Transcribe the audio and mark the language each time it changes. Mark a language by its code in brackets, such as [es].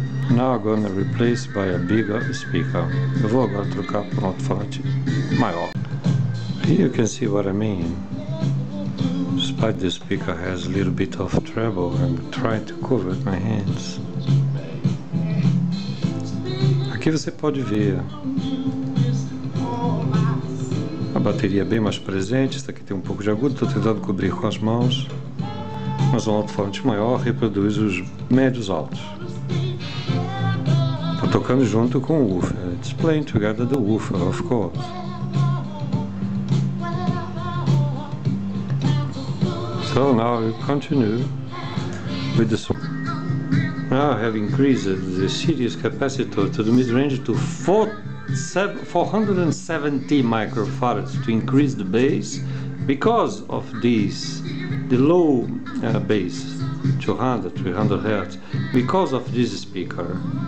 [en] Now I'm gonna replace by a bigger speaker. [pt] Eu vou agora trocar por um alto-falante maior. [en] Here you can see what I mean. Despite the speaker has a little bit of treble, I'm trying to cover my hands. [pt] Aqui você pode ver a bateria bem mais presente. Isso aqui tem um pouco de agudo, estou tentando cobrir com as mãos. Mas um alto-falante maior reproduz os médios altos. Tocando junto com o woofer. [en] It's playing together the woofer, of course. So now you continue with the song. Now I have increased the series capacitor to the mid-range to 470 microfarads to increase the bass because of this, the low bass, 200, 300 Hz, because of this speaker.